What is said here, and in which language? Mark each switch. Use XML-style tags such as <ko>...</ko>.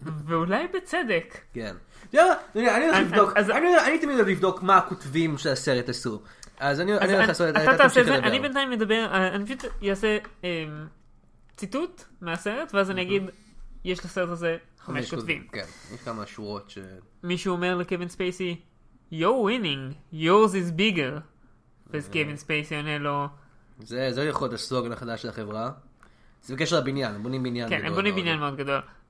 <he>ואולי בצדק. כן. יאללה, אני הולך לבדוק, אני תמיד הולך לבדוק מה הכותבים של הסרט עשו. אז אני הולך לעשות את זה, אתה תמשיך לדבר. אני בינתיים מדבר, אני פשוט אעשה ציטוט מהסרט, ואז אני אגיד, יש לסרט הזה חמש כותבים. כן, יש כמה שורות ש... מישהו אומר לקווין ספייסי,</he> <en>you're winning, yours is bigger.</en> <he>ואז קווין ספייסי עונה לו, זה יכול להיות הסלוגן החדש של החברה. זה בקשר לבניין, הם בונים בניין גדול. כן, הם בונים בניין מאוד גדול.</he>